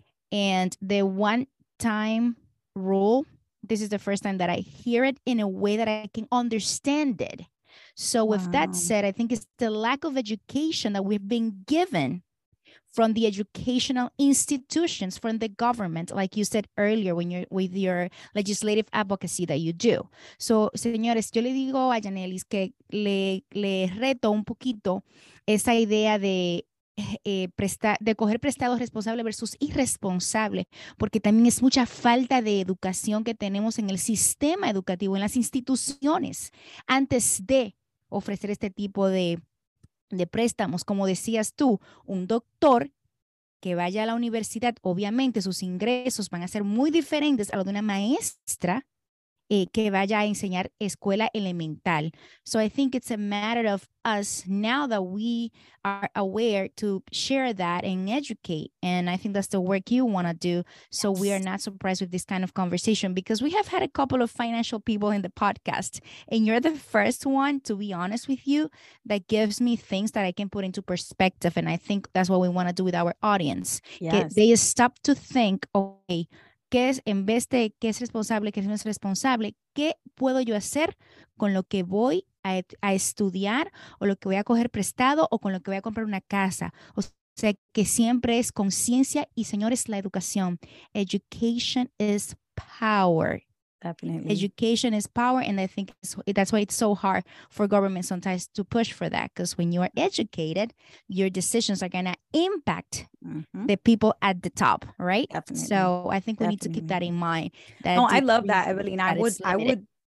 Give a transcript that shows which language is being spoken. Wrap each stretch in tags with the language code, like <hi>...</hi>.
<en>And the one-time rule, this is the first time that I hear it in a way that I can understand it. So with that said, I think it's the lack of education that we've been given from the educational institutions, from the government, like you said earlier, when you're with your legislative advocacy that you do.</en> <es>So, señores, yo le digo a Yanely que le reto un poquito esa idea de de coger prestado responsable versus irresponsable, porque también es mucha falta de educación que tenemos en el sistema educativo, en las instituciones, antes de ofrecer este tipo de préstamos. Como decías tú, un doctor que vaya a la universidad, obviamente sus ingresos van a ser muy diferentes a los de una maestra que vaya a enseñar escuela elemental.</es> <en>So I think it's a matter of us now that we are aware to share that and educate. And I think that's the work you want to do. So yes, we are not surprised with this kind of conversation, because we have had a couple of financial people in the podcast. And you're the first one, to be honest with you, that gives me things that I can put into perspective. And I think that's what we want to do with our audience.</en> <es>Yes. They stop to think, okay, ¿qué es, en vez de qué es responsable, qué no es responsable, qué puedo yo hacer con lo que voy a estudiar o lo que voy a coger prestado o con lo que voy a comprar una casa? O sea, que siempre es conciencia y, señores, la educación.</es> <en>Education is power. Definitely. Education is power. And I think that's why it's so hard for government sometimes to push for that. Because when you are educated, your decisions are going to impact the people at the top, right? Definitely. So I think we need to keep that in mind. No, I love that, Evelyn.</en>